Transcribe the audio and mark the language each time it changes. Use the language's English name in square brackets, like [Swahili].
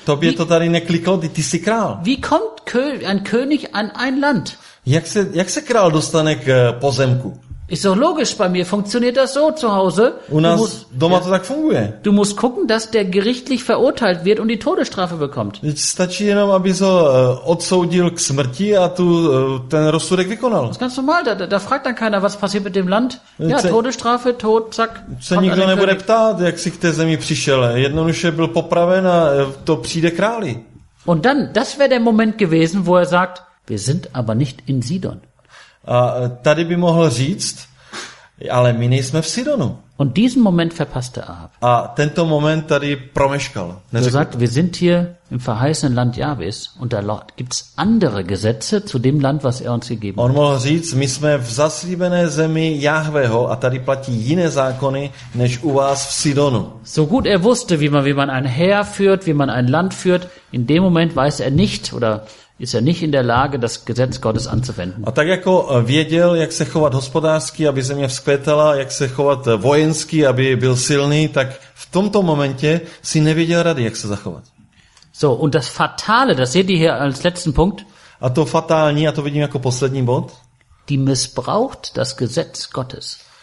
[Czech] Tobě to tady nekliklo, ty jsi král. [German] Wie kommt ein König an ein Land? [Czech] Jak se král dostane k pozemku? [German] Ist doch logisch, bei mir funktioniert das so zu Hause. [Czech] U nás doma to tak funguje. [German] Du musst gucken, dass der gerichtlich verurteilt wird und die Todesstrafe bekommt. [Czech] Stačí jenom, aby se odsoudil k smrti a tu ten rozsudek vykonal. [German] Das ist ganz normal, da fragt dann keiner, was passiert mit dem Land. Ja, Todesstrafe, Tod, zack. [Czech] Se nikdo nebude ptát, jak si k té zemi přišel. Jednoduše byl popraven a to přijde králi. [German] Und dann, das wäre der Moment gewesen, wo er sagt, wir sind aber nicht in Sidon. [Czech] A tady by mohl říct, ale my nejsme v Sidonu. [German] Und diesen Moment verpasste Ahab. [Czech] A tento moment tady promeškal. [German] Er sagt, wir sind hier im verheißenen Land Jabes und da gibt's andere Gesetze zu dem Land, was er uns gegeben hat. [Czech] On mohl říct, my jsme v zaslíbené zemi Jahveho a tady platí jiné zákony, než u vás v Sidonu. [German] So gut er wusste, wie man ein Heer führt, wie man ein Land führt, in dem Moment weiß er nicht oder ist er nicht in der Lage, das Gesetz Gottes anzuwenden. [Czech] A tak jako věděl, jak se chovat hospodářsky, aby země vzkvětala, jak se chovat vojenský, aby byl silný, tak v tomto momentě si nevěděl rady, jak se zachovat. [German] So, und das Fatale, das seht ihr hier als letzten Punkt. [Czech] A to fatální, a to vidím jako poslední bod. [German] Die missbraucht das Gesetz Gottes.